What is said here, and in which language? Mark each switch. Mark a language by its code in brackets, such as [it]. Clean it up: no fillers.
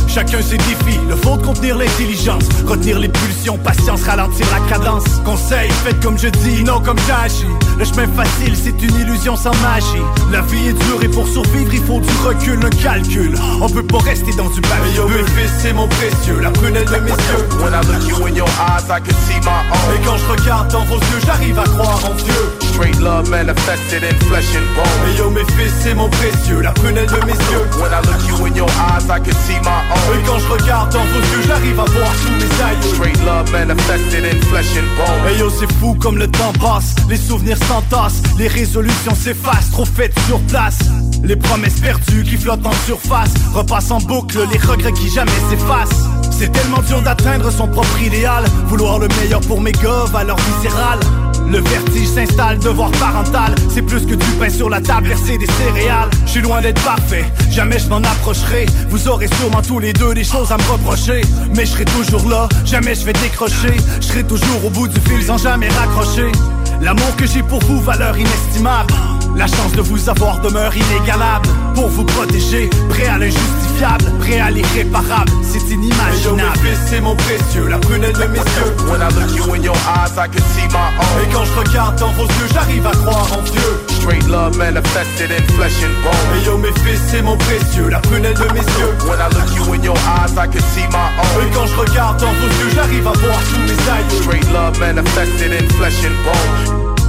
[fr] Chacun ses défis, le faut de contenir l'intelligence. Retenir les pulsions, patience, ralentir la cadence. Conseil, faites comme je dis, non comme j'agis. Le chemin facile c'est une illusion sans magie. La vie est dure et pour survivre il faut du recul, un calcul. On peut pas rester dans du bavis. Hey yo, mes fils, c'est mon précieux, la prunelle de mes yeux. [en] When I look you in your eyes I can see my own. [fr] Et quand je regarde dans vos yeux j'arrive à croire en Dieu. [en] Straight love manifested in flesh and bone. [fr] Hey yo, mes fils, c'est mon précieux, la prunelle de mes yeux. [en] When I look you in your eyes I can see my own. [fr] Et quand je regarde dans vos yeux j'arrive à voir tous mes aïeux. [en] Straight love manifested in flesh and bone. [fr] Hey yo, c'est fou comme le temps passe, les souvenirs s'entassent, les résolutions s'effacent, trop faites sur place. Les promesses perdues qui flottent en surface, repassent en boucle les regrets qui jamais s'effacent. C'est tellement dur d'atteindre son propre idéal, vouloir le meilleur pour mes gars, valeur viscérale. Le vertige s'installe, devoir parental, c'est plus que du pain sur la table, verser des céréales. Je suis loin d'être parfait, jamais je m'en approcherai. Vous aurez sûrement tous les deux des choses à me reprocher. Mais je serai toujours là, jamais je vais décrocher. Je serai toujours au bout du fil sans jamais raccrocher. L'amour que j'ai pour vous, valeur inestimable. La chance de vous avoir demeure inégalable. Pour vous protéger, prêt à l'injustifier. câble, prêt à l'irréparable, c'est inimaginable. Mes fils, c'est mon précieux, la prunelle de mes yeux. [en] When I look you in your eyes, I can see my own. [fr] Et quand je regarde dans vos yeux, j'arrive à croire en Dieu. [en] Straight love manifested in flesh and bone. [fr] Et yo, mes fils, c'est mon précieux, la prunelle de mes yeux. [en] When I look you in your eyes, I can see my own. [fr] Et quand je regarde dans vos yeux, j'arrive à voir sous mes aïeux. [en] Straight love manifested in flesh and bone.